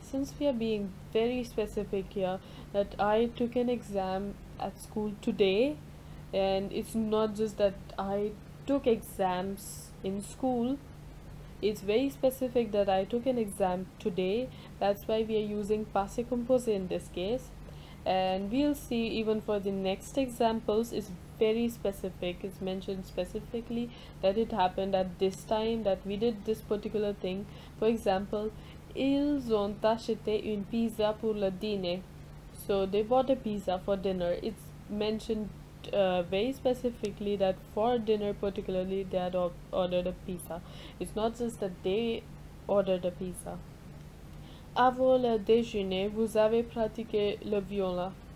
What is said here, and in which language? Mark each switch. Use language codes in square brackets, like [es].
[en] Since we are being very specific here that I took an exam at school today, and it's not just that I took exams in school, it's very specific that I took an exam today. That's why we are using passé composé in this case. And we'll see even for the next examples, it's very specific. It's mentioned specifically that it happened at this time, that we did this particular thing. For example, [fr] ils ont acheté une pizza pour le dîner. [en] So they bought a pizza for dinner. It's mentioned very specifically that for dinner particularly they had ordered a pizza. It's not just that they ordered a pizza. [fr] Avant le déjeuner, vous avez pratiqué le violon.